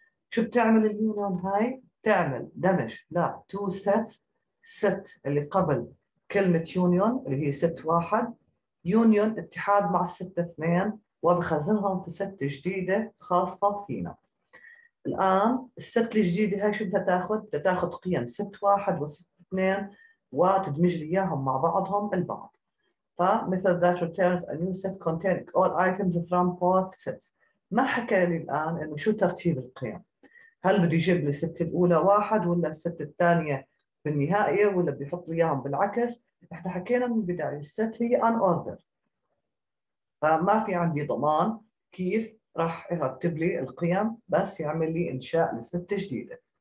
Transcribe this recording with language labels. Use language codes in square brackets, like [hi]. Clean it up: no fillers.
[ar] شو بتعمل اليونيون هاي؟ تعمل دمج لا تو سيتس، ست اللي قبل كلمة يونيون اللي هي ست واحد، يونيون اتحاد مع ست اثنين وبخزنهم في ست جديدة خاصة فينا. الآن الست الجديدة هاي شو بدها تاخذ؟ بدها تاخذ قيم ست واحد وست اثنين وتدمج لي اياهم مع بعضهم البعض. فمثل ذات [en] returns a new set containing all items from both sets. [ar] ما حكى لي الآن انه شو ترتيب القيم؟ هل بده يجيب لي الست الأولى واحد ولا الست الثانية بالنهائية ولا بيحط لي اياهم بالعكس؟ احنا حكينا من البداية الست هي ان اوردر. فما في عندي ضمان كيف راح يرتب لي القيم بس يعمل لي انشاء لست جديدة.